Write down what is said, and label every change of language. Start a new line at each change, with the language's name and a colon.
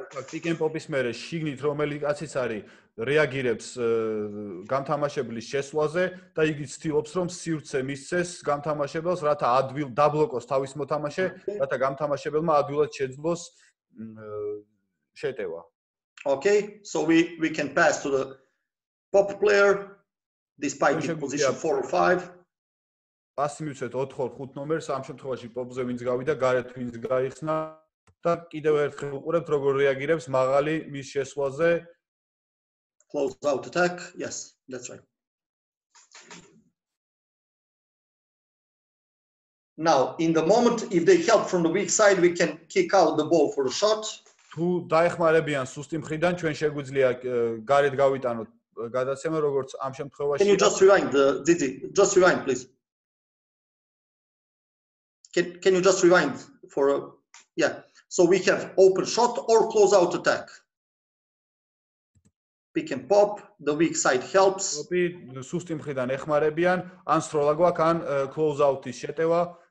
Georgian: Pick and pop-ის მერე შიგნით რომელი კაციც არის რეაგირებს გამთამაშებლის შესვლაზე და იგი ცდილობს რომ სივრცე მისცეს გამთამაშებელს რათა ადვილ დაბლოკოს თავის მოთამაშე რათა გამთამაშებელმა ადვილად შეძლოს შეტევა.
English: Okay, so we can pass to the pop player despite the position 4 or 5.
Georgian: Пасი მივცეთ 4-ორ 5 ნომერს, ამ შემთხვევაში პოპზე ვინც გავიდა, გარეთ ვინც გაიხსნა და კიდევ ერთხელ უყურებთ როგორ რეაგირებს მაღალი მის შესვლაზე.
English: Close out attack. Yes, that's right. Now, in the moment if they help from the weak side, we can kick out the ball for a shot. თუ დაეხმარებიან სუსტი მხრიდან, ჩვენ შეგვიძლია გარეთ გავიტანოთ გადაცემა როგორც ამ შემთხვევაში. Can you just rewind please? Can you just rewind for a So we have open shot or close out attack. Pick and pop, the weak side helps.
Georgian: Ოპი სუსტი მხრიდან ეხმარებიან, ან სროლა გვაქვს, ან close out-ის შეტევა.